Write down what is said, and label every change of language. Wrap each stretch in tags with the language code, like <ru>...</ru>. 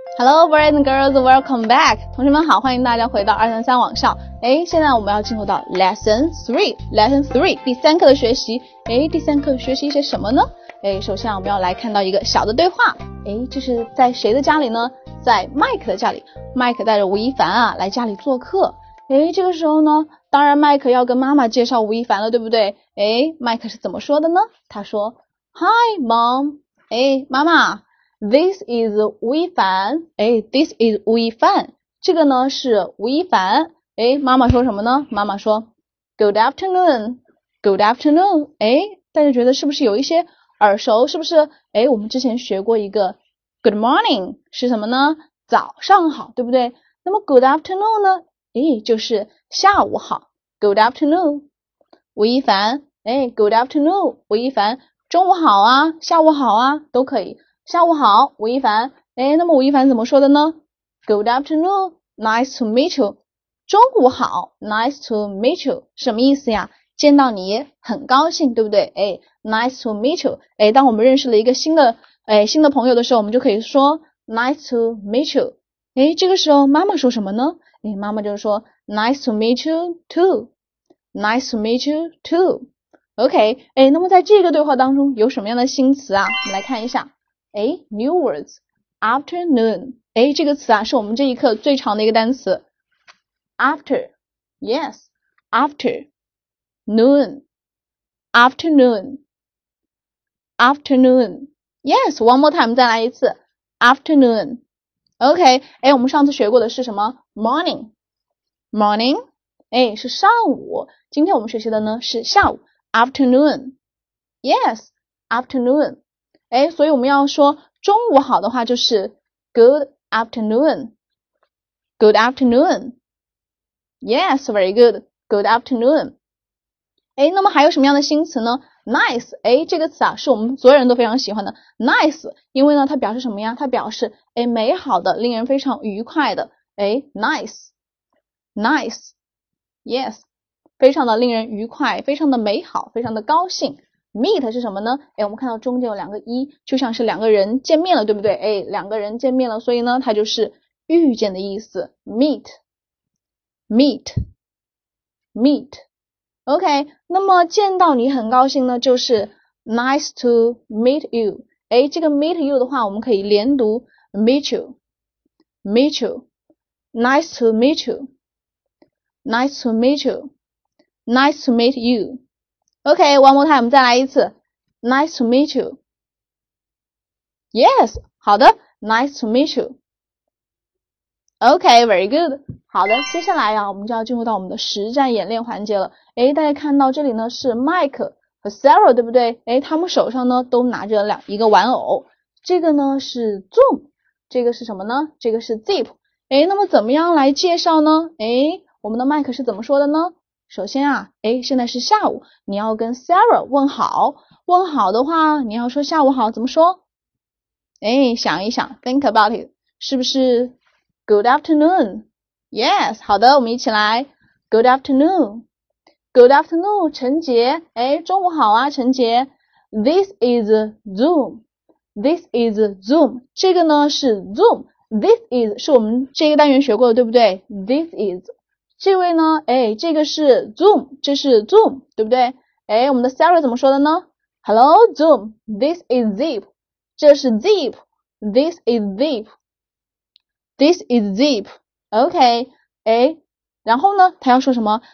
<en>Hello, boys and girls, welcome back.</en> <zh>同学们好，欢迎大家回到233网上。诶，现在我们要进入到 Lesson 3, 第三课的学习。诶，第三课学习一些什么呢？诶，首先我们要来看到一个小的对话。诶，这是在谁的家里呢？在 Mike 的家里。 Mike 带着吴亦凡啊，来家里做客。诶，这个时候呢，当然 Mike 要跟妈妈介绍吴亦凡了，对不对？诶， Mike 是怎么说的呢？他说</zh> <en>Hi, Mom.</en> <zh>诶，妈妈。 This is 吴亦凡。诶， This is 吴亦凡。这个呢是吴亦凡。诶，妈妈说什么呢？妈妈说</zh> <en>Good afternoon. Good afternoon.</en> <zh>诶，大家觉得是不是有一些耳熟？是不是诶，我们之前学过一个</zh> <en>Good morning</en> <zh>是什么呢？早上好，对不对？那么</zh> <en>Good afternoon</en> <zh>呢，诶，就是下午好。</zh> <en>Good afternoon 吴亦凡。</en> <zh>诶，</zh> <en>Good afternoon</en> <zh>吴亦凡，中午好啊，下午好啊，都可以。下午好，吴亦凡。诶，那么吴亦凡怎么说的呢？</zh> <en>Good afternoon, nice to meet you.</en> <zh>中午好，</zh> <en>nice to meet you.</en> <zh>什么意思呀？见到你很高兴，对不对？诶，</zh> <en>nice to meet you.</en> <zh>诶，当我们认识了一个新的新的朋友的时候，我们就可以说</zh> <en>nice to meet you.</en> <zh>诶，这个时候妈妈说什么呢？诶，妈妈就是说</zh> <en>nice to meet you too. Nice to meet you too.</en> <zh>OK, 诶，那么在这个对话当中有什么样的新词啊？我们来看一下。诶，</zh> <en>new words, afternoon.</en> <zh>诶，这个词啊是我们这一课最长的一个单词。</zh> <en>after, yes, after, noon, afternoon, afternoon, yes, one more time,</en> <zh>再来一次</zh> <en>afternoon.</en> <zh>OK, 诶，我们上次学过的是什么？</zh> <en>morning, morning,</en> <zh>诶，是上午。今天我们学习的呢是下午，</zh> <en>afternoon, yes, afternoon.</en> <zh>诶，所以我们要说中午好的话就是</zh> <en>good afternoon, good afternoon. Yes, very good, good afternoon.</en> <zh>诶，那么还有什么样的新词呢？nice, 诶，这个词啊是我们所有人都非常喜欢的 nice, 因为呢它表示什么呀？它表示诶美好的，令人非常愉快的。诶， nice, nice, yes, 非常的令人愉快，非常的美好，非常的高兴。 Meet 是什么呢？诶，我们看到中间有两个一，就像是两个人见面了，对不对？诶，两个人见面了，所以呢它就是遇见的意思。</zh> <en>Meet, meet, meet.</en> <zh>OK, 那么见到你很高兴呢就是</zh> <en>nice to meet you. 诶，这个 meet you</en> <zh>的话我们可以连读</zh> <en>meet you, meet you, nice to meet you, nice to meet you, nice to meet you. OK, one more time,</en> <zh>再来一次。</zh> <en>Nice to meet you. Yes,</en> <zh>好的</zh> <en>,nice to meet you. OK, very good.</en> <zh>好的，接下来啊我们就要进入到我们的实战演练环节了。诶，大家看到这里呢是 Mike 和 Sarah, 对不对？诶，他们手上呢都拿着一个玩偶。这个呢是 Zoom, 这个是什么呢？这个是 Zip。诶，那么怎么样来介绍呢？诶，我们的 Mike 是怎么说的呢？首先啊，诶，现在是下午，你要跟 Sarah 问好。问好的话你要说下午好，怎么说？诶，想一想，</zh> <en>think about it,</en> <zh>是不是</zh> <en>good afternoon? Yes,</en> <zh>好的，我们一起来</zh> <en>good afternoon, good afternoon, 陈杰。</en> <zh>诶，中午好啊，陈杰。</zh> <en>This is Zoom, this is Zoom, 这个呢是 Zoom, this is</en> <zh>是我们这个单元学过的，对不对？ this is,这位呢，诶，这个是 Zoom, 这是 Zoom, 对不对？诶，我们的 Sarah 怎么说的呢？</zh> <en>Hello, Zoom, this is Zip, 这是 Zip, this is Zip, this is Zip, OK,</en> <zh>诶，然后呢，他要说什么？</zh>